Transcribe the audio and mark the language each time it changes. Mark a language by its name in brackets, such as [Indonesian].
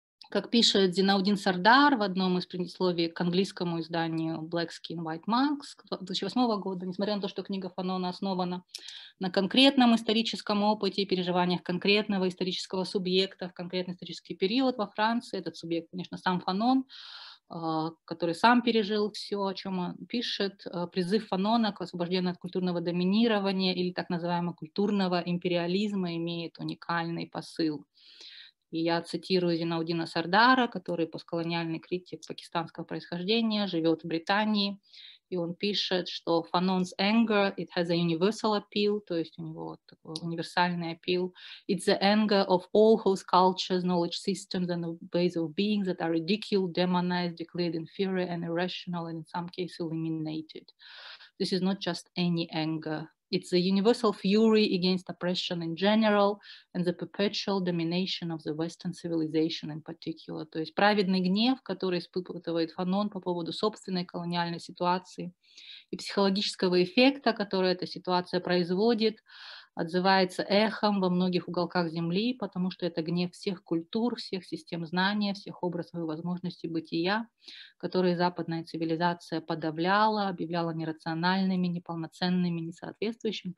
[Russian] Как пишет Зинаудин Сардар в одном из предисловий к английскому изданию Black Skin, White Monks 2008 года, несмотря на то, что книга Фанона основана на конкретном историческом опыте и переживаниях конкретного исторического субъекта в конкретный исторический период во Франции, этот субъект, конечно, сам Фанон, который сам пережил все, о чем он пишет, призыв Фанона к освобождению от культурного доминирования или так называемого культурного империализма имеет уникальный посыл. И я цитирую Зинаудина Сардара, который постколониальный критик пакистанского происхождения, живет в Британии, и он пишет, что [English] Fanon's anger, it has a universal appeal, [Russian] то есть у него вот такой универсальный appeal. [English] It's the anger of all whose cultures, knowledge systems and ways of being that are ridiculed, demonized, declared inferior and irrational and in some cases eliminated. This is not just any anger. It's a universal fury against oppression in general and the perpetual domination of the Western civilization in particular. [Russian] То есть праведный гнев, который испытывает Фанон по поводу собственной колониальной ситуации и психологического эффекта, который эта ситуация производит, отзывается эхом во многих уголках Земли, потому что это гнев всех культур, всех систем знания, всех образов и возможностей бытия, которые западная цивилизация подавляла, объявляла нерациональными, неполноценными, несоответствующими.